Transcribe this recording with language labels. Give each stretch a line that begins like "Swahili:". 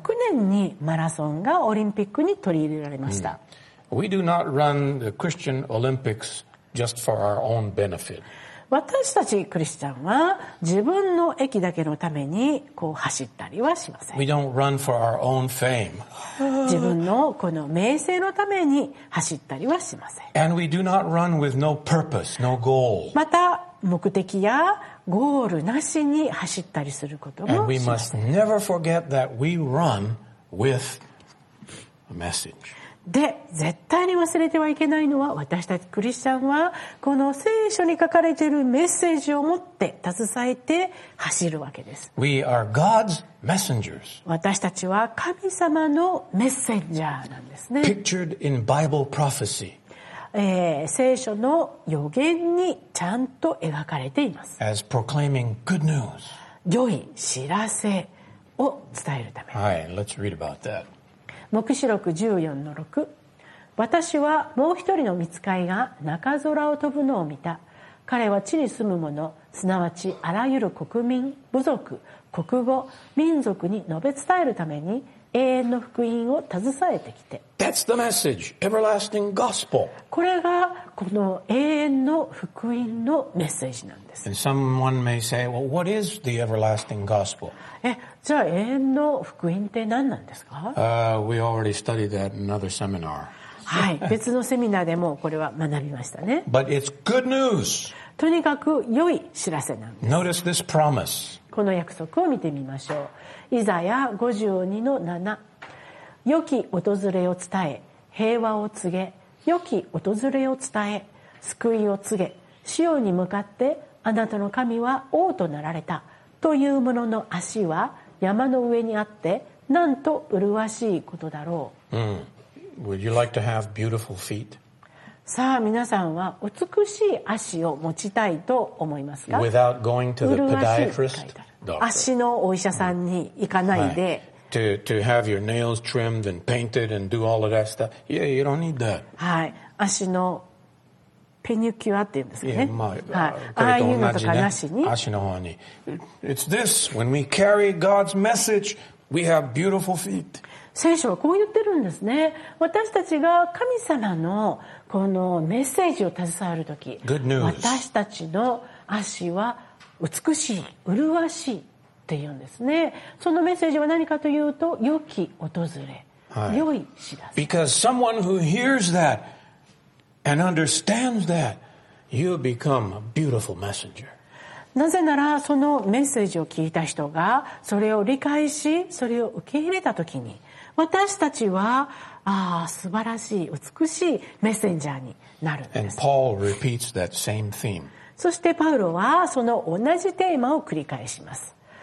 Japanese: 1896年にマラソンがオリンピックに取り入れられました。 Mm.
English: We do not run the Christian Olympics just for our own benefit.
Japanese: 私たちクリスチャンは自分の益だけのためにこう走ったりはしません。
English: We don't run for our own fame.
Japanese: 自分のこの名声のために走ったりはしません。
English: And we do not run with no purpose, no goal.
Japanese: また目的やゴールなしに走ったりすることもしません。
English: And we must never forget that we run with a message.
Japanese: で、絶対に忘れてはいけないのは、私たちクリスチャンはこの聖書に書かれているメッセージを持って携えて走るわけです。
English: We are God's messengers.
Japanese: 私たちは神様のメッセンジャーなんですね。
English: Pictured in Bible prophecy.
Japanese: 聖書の予言にちゃんと描かれています。
English: As proclaiming good news.
Japanese: 良い知らせを伝えるため。
English: All right, let's read about that.
Japanese: 黙示録14-6。私はもう一人の御使いが中空を飛ぶのを見た。彼は地に住む者、すなわちあらゆる国民、部族、国語、民族に述べ伝えるために永遠の福音を携えてきて。
English: That's the message, everlasting gospel.
Japanese: これがこの永遠の福音のメッセージなんです。
English: And someone may say, well, what is the everlasting gospel?
Japanese: じゃあ永遠の福音って何なんですか？
English: We already studied that in another seminar.
Japanese: はい、別のセミナーでもこれは学びましたね。
English: But it's good news.
Japanese: とにかく良い知らせなんです。
English: Notice this promise.
Japanese: この約束を見てみましょう。イザヤ 52-7。良き訪れを伝え、平和を告げ。良き訪れを伝え、救いを告げ。シオンに向かって、あなたの神は王となられた。というものの足は山の上にあって、なんと麗しいことだろう。
English: Would you like to have beautiful feet?
Japanese: さあ、皆さんは美しい足を持ちたいと思いますか？
English: Without going to the podiatrist,
Japanese: 足のお医者さんに行かないで、
English: To have your nails trimmed and painted and do all of that stuff. Yeah, you don't need that.
Japanese: はい、足のペニキュアっていうんですかね。まあ、はい、ああいうのとかなしに、足の方に。
English: It's this. When we carry God's message, we have beautiful feet.
Japanese: 聖書はこう言ってるんですね。私たちが神様のこのメッセージを携わるとき、
English: Good news.
Japanese: 私たちの足は美しい、麗しいっていうんですね。そのメッセージは何かというと、良き訪れ、良い知らせ。
English: Because someone who hears that and understands that, you become a beautiful messenger.
Japanese: なぜなら、そのメッセージを聞いた人がそれを理解し、それを受け入れたときに、私たちは、ああ、素晴らしい、美しいメッセンジャーになるんです。
English: And Paul repeats that same theme.
Japanese: そしてパウロはその同じテーマを繰り返します。